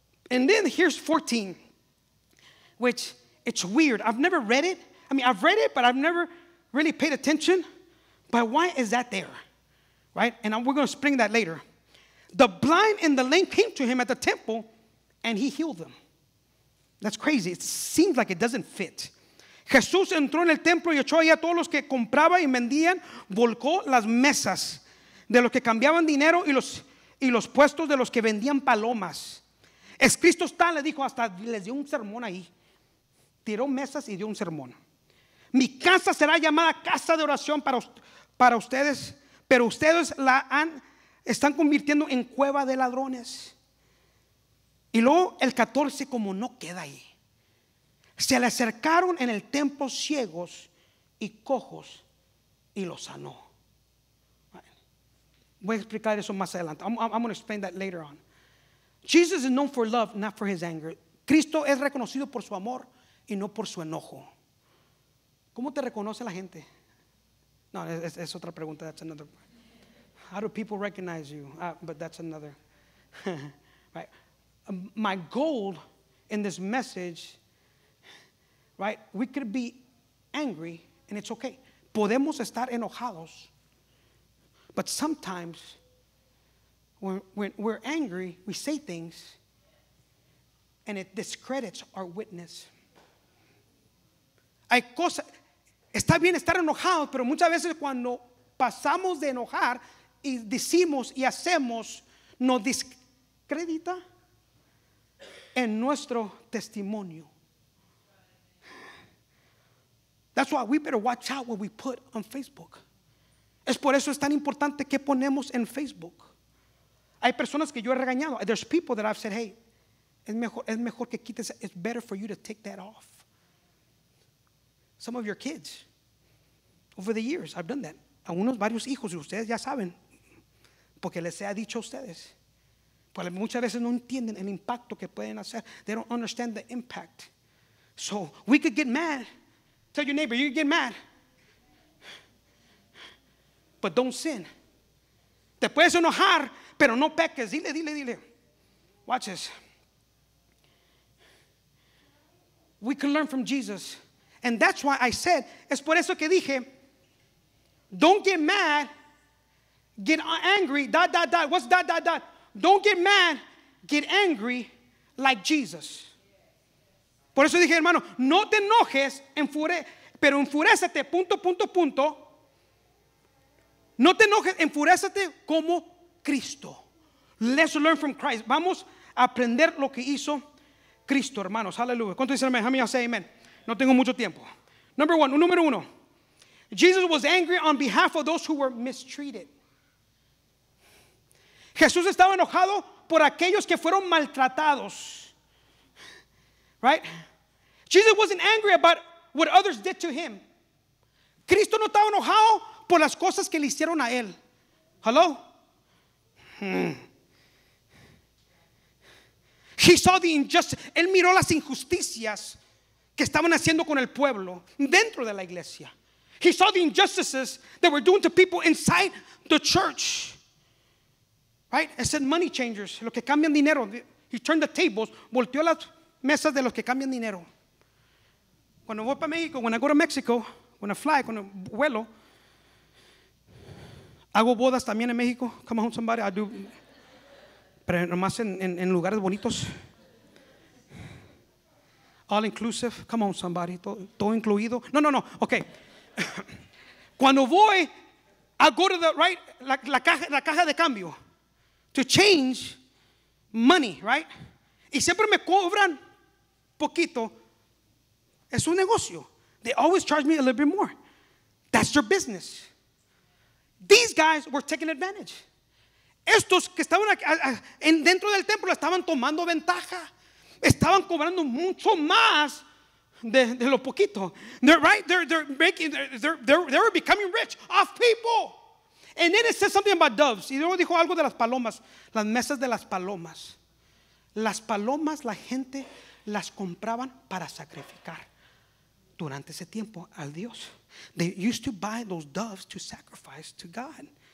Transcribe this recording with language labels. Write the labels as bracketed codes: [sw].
[en] And then here's 14, which it's weird. I've never read it. I mean, I've read it, but I've never really paid attention. But why is that there? Right? And we're going to spring that later. The blind and the lame came to him at the temple and he healed them. That's crazy. It seems like it doesn't fit. [es] Jesús entró en el templo y echó ahí a todos los que compraban y vendían, volcó las mesas de los que cambiaban dinero y los puestos de los que vendían palomas. Es Cristo está, le dijo, hasta les dio un sermón ahí. Tiró mesas y dio un sermón. Mi casa será llamada casa de oración para ustedes, pero ustedes están convirtiendo en cueva de ladrones. Y luego el 14, como no queda ahí, se le acercaron en el templo ciegos y cojos y lo sanó. Voy a explicar eso más adelante. [en] I'm going to explain that later on. Jesus is known for love, not for his anger. [es] Cristo es reconocido por su amor y no por su enojo. ¿Cómo te reconoce la gente? No, es otra pregunta. [en] That's another. How do people recognize you? But that's another. Right. My goal in this message, right? We could be angry and it's okay. [es] Podemos estar enojados, [en] but sometimes when we're angry, we say things and it discredits our witness. [es] Hay cosas, está bien estar enojado, pero muchas veces cuando pasamos de enojar y decimos y hacemos, nos discredita en nuestro testimonio. [en] That's why we better watch out what we put on Facebook. [es] Es por eso es tan importante que ponemos en Facebook. Hay personas que yo he regañado. [en] There's people that I've said, hey, [es] es mejor que quites. [en] It's better for you to take that off. Some of your kids. Over the years, I've done that. [es] A unos varios hijos, y ustedes ya saben, porque les he dicho a ustedes. Pues muchas veces no entienden el impacto que pueden hacer. [en] They don't understand the impact. So we could get mad. Tell your neighbor, you could get mad. But don't sin. [es] Te puedes enojar, pero no peques. Dile. [en] Watch this. We can learn from Jesus. And that's why I said, [es] es por eso que dije, [en] don't get mad. Get angry. Dot, dot, dot. What's dot, dot, dot? Don't get mad, get angry like Jesus. [es] Por eso dije, hermano, no te enojes, pero enfurécete, punto, punto, punto. No te enojes, enfurécete como Cristo. [en] Let's learn from Christ. [es] Vamos a aprender lo que hizo Cristo, hermanos. Aleluya. ¿Cuánto dicen amén? [en] How many say amen? [es] No tengo mucho tiempo. [en] Number one, [es] número uno. [en] Jesus was angry on behalf of those who were mistreated. [es] Jesús estaba enojado por aquellos que fueron maltratados. [en] Right? Jesus wasn't angry about what others did to him. [es] Cristo no estaba enojado por las cosas que le hicieron a él. Hello? [en] He saw the injustice. [es] Él miró las injusticias que estaban haciendo con el pueblo dentro de la iglesia. [en] He saw the injustices that were doing to people inside the church. Right? I said money changers, [es] los que cambian dinero. [en] He turned the tables, [es] volteó las mesas de los que cambian dinero. Cuando voy para México, [en] when I go to Mexico, when I fly, [es] cuando vuelo, hago bodas también en México. [en] Come on, somebody, I do. [es] Pero nomás en lugares bonitos. [en] All inclusive. Come on, somebody. [es] Todo incluido. No, no, no. [en] Okay. [es] Cuando voy, [en] I go to the right, [es] la caja de cambio, [en] to change money, right? [es] Y siempre me cobran poquito. Es un negocio. [en] They always charge me a little bit more. That's their business. These guys were taking advantage. [es] Estos que estaban dentro del templo estaban tomando ventaja. Estaban cobrando mucho más de lo poquito. [en] They're right. They were becoming rich off people. And then it says something about doves. [es] Y luego dijo algo de las palomas. Las mesas de las palomas. Las palomas, la gente las compraban para sacrificar durante ese tiempo al Dios. [en] They used to buy those doves to sacrifice to God.